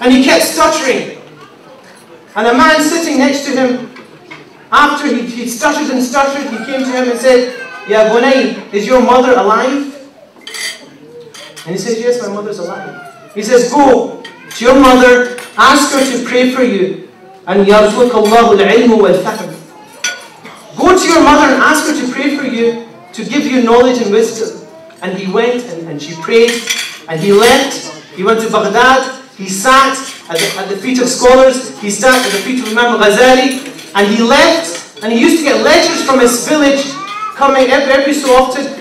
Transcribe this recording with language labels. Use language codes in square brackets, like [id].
[en] And he kept stuttering. And a man sitting next to him, after he stuttered and stuttered, he came to him and said, Ya Bunay, is your mother alive? And he said, yes, my mother's alive. He says, go to your mother, ask her to pray for you. And [ar] يرزقك الله العلم والفهم. [en] Go to your mother and ask her to pray for you, to give you knowledge and wisdom. And he went and she prayed. And he left. He went to Baghdad. He sat at the feet of scholars. He sat at the feet of Imam Ghazali. And he left. And he used to get letters from his village coming every so often.